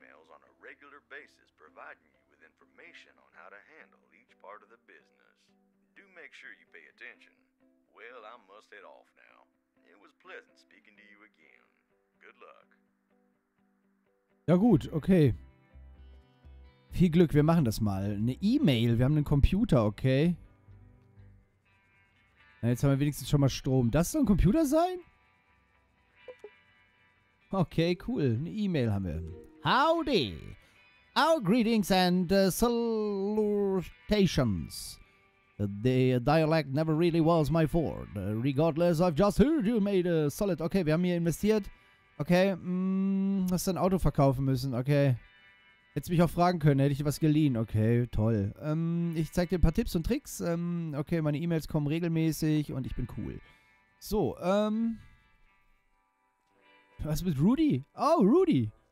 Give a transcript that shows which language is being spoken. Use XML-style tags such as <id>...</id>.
<en>emails on a regular basis providing you with information on how to handle each part of the business. Do make sure you pay attention. Well, I must head off now. It was pleasant speaking to you again. Good luck.</en> <de>Ja gut, okay. Viel Glück, wir machen das mal. Eine E-Mail, wir haben einen Computer, okay. Na, jetzt haben wir wenigstens schon mal Strom. Das soll ein Computer sein? Okay, cool. Eine E-Mail haben wir. Howdy!</de> <en>Our greetings and salutations. The dialect never really was my fort. Regardless, I've just heard you made a solid...</en> <de>Okay, wir haben hier investiert. Okay, hast du ein Auto verkaufen müssen, okay. Hättest mich auch fragen können, hätte ich dir was geliehen. Okay, toll. Ich zeig dir ein paar Tipps und Tricks. Okay, meine E-Mails kommen regelmäßig und ich bin cool. So, was mit Rudy? Oh, Rudy!</de>